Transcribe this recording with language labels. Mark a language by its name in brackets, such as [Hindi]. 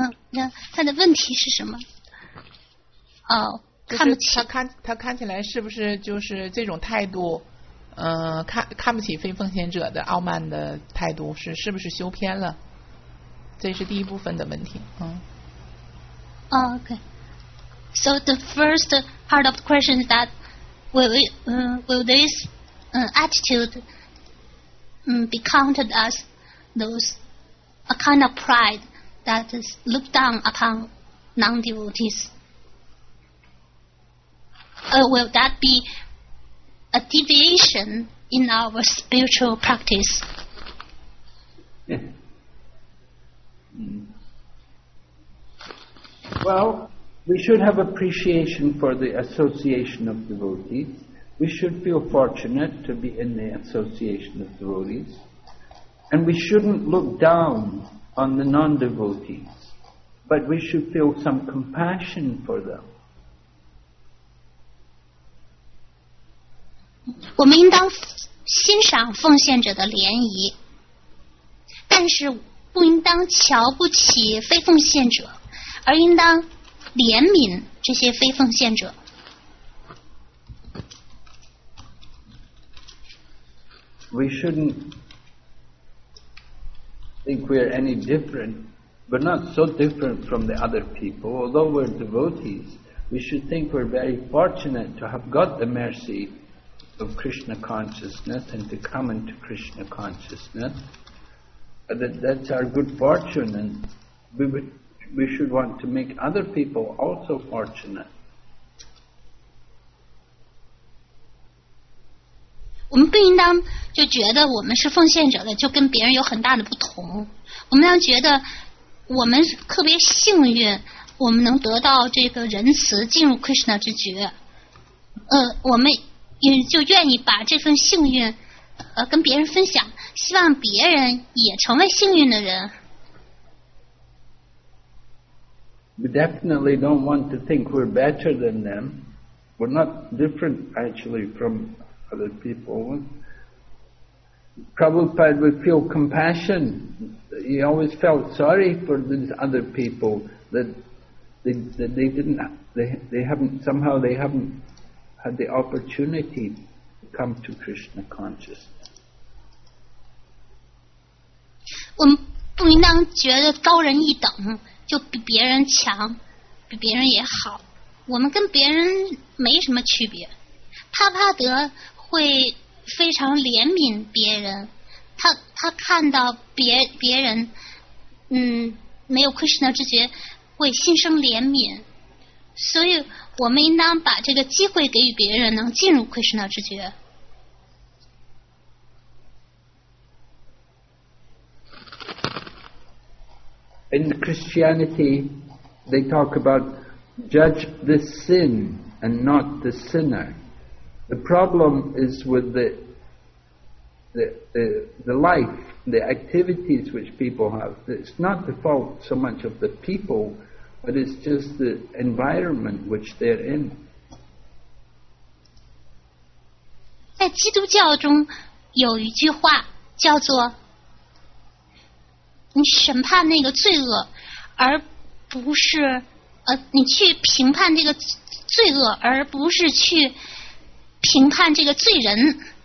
[Chinese] 那他的问题是什么？看不起，他看起来是不是就是这种态度，看不起非奉献者的傲慢的态度，是不是修偏了？这是第一部分的问题。 [English] Okay. So the first part of the question is that will this attitude be counted as those a kind of pride that is looked down upon non-devotees? Will that be a deviation in our spiritual practice? Well, we should have appreciation for the association of devotees. We should feel fortunate to be in the association of devotees. And we shouldn't look down on the non-devotees, but we should feel some compassion for them. [Chinese] 我们应当欣赏奉献者的涟漪，但是不应当瞧不起非奉献者。而应当怜悯这些非奉献者。 [English] We shouldn't think we are any different. We're not so different from the other people. Although we're devotees, we should think we're very fortunate to have got the mercy of Krishna consciousness and to come into Krishna consciousness. That's our good fortune, and we should want to make other people also fortunate. [Chinese] 我们不应当就觉得我们是奉献者的就跟别人有很大的不同，我们要觉得我们特别幸运，我们能得到这个仁慈进入 Krishna 之觉，我们也就愿意把这份幸运跟别人分享，希望别人也成为幸运的人。 [English] We definitely don't want to think we're better than them. We're not different, actually, from other people. Prabhupada would feel compassion. He always felt sorry for these other people that they haven't had the opportunity to come to Krishna consciousness. [Chinese] 我们不应当觉得高人一等。就比别人强，比别人也好，我们跟别人没什么区别。帕帕德会非常怜悯别人，他看到别人没有 Krishna 之觉，会心生怜悯，所以我们应当把这个机会给予别人能进入 Krishna 之觉。 [English] In Christianity, they talk about judge the sin and not the sinner. The problem is with the life, the activities which people have. It's not the fault so much of the people, but it's just the environment which they're in. [Chinese] 在基督教中有一句话叫做你审判那个罪恶，而不是你去评判这个罪恶，而不是去评判这个罪人。